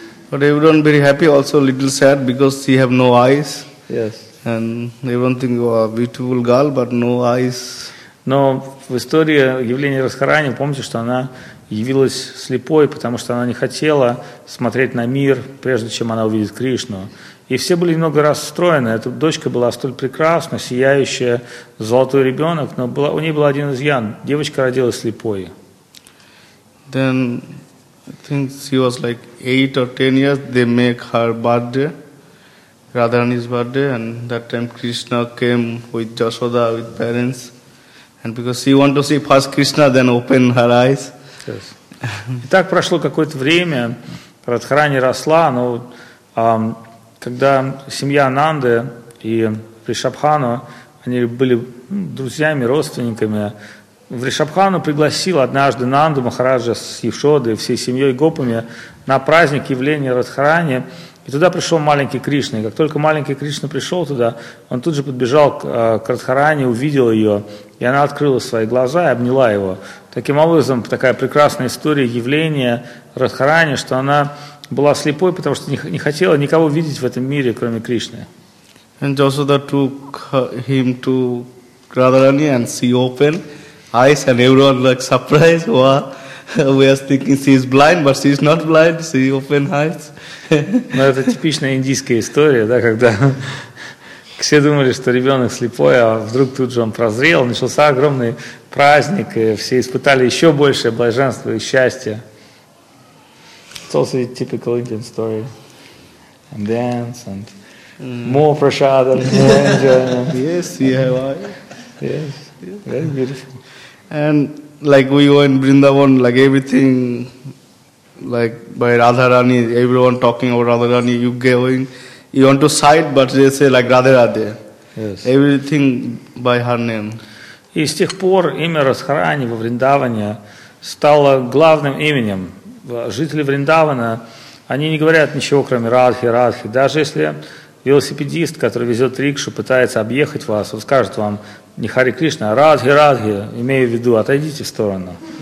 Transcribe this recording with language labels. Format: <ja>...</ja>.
<en>But everyone very happy, also a little sad because she have no eyes. Yes. And everyone think, oh, beautiful girl, but no eyes.</en> <ru>Но в истории явления Радхарани, помните, что она явилась слепой, потому что она не хотела смотреть на мир, прежде чем она увидит Кришну. И все были немного расстроены. Эта дочка была столь прекрасна, сияющая, золотой ребенок, но была, у ней был один изъян. Девочка родилась слепой.</ru> <en>Then, I think she was like 8 or 10 years, they make her birthday, Radharani's birthday, and that time Krishna came with Yashoda, with parents. And because she wanted to see first Krishna, then open her eyes. Yes.</en> <ru>И так прошло какое-то время, Радхарани росла, но когда семья Ананды и Вришабхану, они были друзьями, родственниками, Вришабхану пригласил однажды Нанду Махараджа с Яшодой, всей семьей гопами на праздник явления Радхарани, и туда пришел маленький Кришна. И как только маленький Кришна пришел туда, он тут же подбежал к Радхарани, увидел ее, и она открыла свои глаза и обняла его. Таким образом, такая прекрасная история явления Радхарани, что она была слепой, потому что не хотела никого видеть в этом мире, кроме Кришны.</ru> <en>And Yashoda took him to Radharani and she opened eyes and everyone like surprised. Wow. We are thinking she is blind, but she is not blind. She opened eyes.</en> <ru>Но это типичная индийская история, да, когда все думали, что ребенок слепой, а вдруг тут же он прозрел, начался огромный праздник, и все испытали еще большее блаженство и счастье.</ru> <en>It's also a typical Indian story. And dance, and more prasad, and more enjoyment. Yes, we have eyes. Yes, very beautiful. And like we were in Vrindavan, like everything, like by Radharani, everyone talking about Radharani, you going, you want to cite, but they say like Radharade. Yes. Everything by her name.</en> <ru>И с тех пор имя Радхарани во Вриндаване стало главным именем. Жители Вриндавана, они не говорят ничего, кроме Радхи, Радхи. Даже если велосипедист, который везет рикшу, пытается объехать вас, он скажет вам, не Хари Кришна, а Радхи, Радхи, имею в виду, отойдите в сторону.</ru>